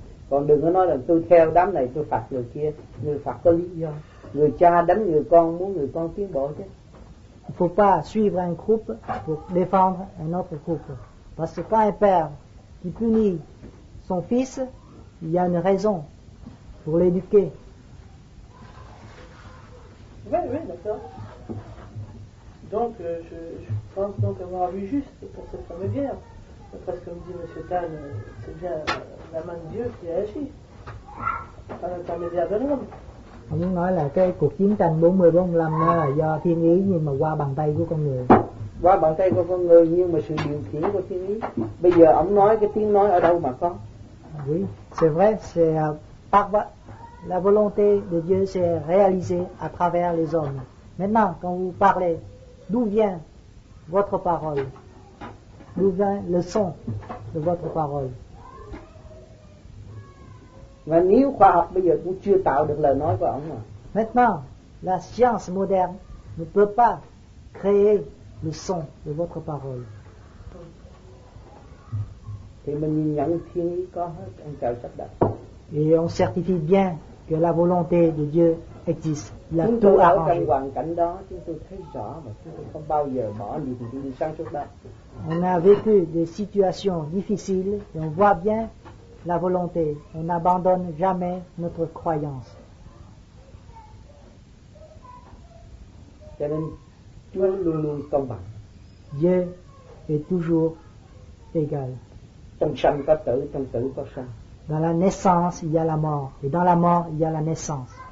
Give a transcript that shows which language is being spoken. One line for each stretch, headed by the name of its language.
Vietnamese: Còn đừng có nói là tôi theo đám này tôi phạt người kia, người phạt có lý do. Người cha đánh người con muốn người con tiến bộ chứ.
French: Il ne faut pas suivre un groupe pour défendre un autre groupe. Parce que quand un père qui punit son fils, il y a une raison pour l'éduquer. Oui, d'accord. Donc, je pense donc avoir vu juste pour cette fameuse guerre. Après ce que me dit M. Tan, c'est bien la main de Dieu qui a agi, par l'intermédiaire de l'homme. On nous dit que le
Vietnamese: cuộc chiến tranh 40-45 là do thiên ý, nhưng mà qua bàn tay của con người. Qua bàn tay của con người, nhưng mà sự điều khiển của thiên ý. Bây giờ, ông nói cái tiếng nói ở đâu mà có?
French: Oui, c'est vrai, c'est par la volonté de Dieu s'est réalisée à travers les hommes. Maintenant, quand vous parlez, d'où vient votre parole? D'où vient le son de votre parole?
Vietnamese: Mà nếu khoa học bây giờ cũng chưa tạo được lời nói của ông mà.
French: Maintenant, la science moderne ne peut pas créer le son de votre parole.
Vietnamese: Thì mình nhìn nhận thiên ý có hết, ông trời sắp đặt.
French: Et on certifie bien que la volonté de Dieu existe. Là
Vietnamese: chúng tôi ở trong hoàn cảnh đó, chúng tôi thấy rõ và chúng tôi không bao giờ bỏ niềm tin sang suốt đó.
French: On a vécu des situations difficiles et on voit bien la volonté. On n'abandonne jamais notre croyance.
Vietnamese: Cho nên Chúa luôn luôn công bằng.
French: Dieu est toujours égal.
Vietnamese: Trong sanh có tử, trong tử có sanh.
French: Dans la naissance, il y a la mort. Et dans la mort, il y a la naissance.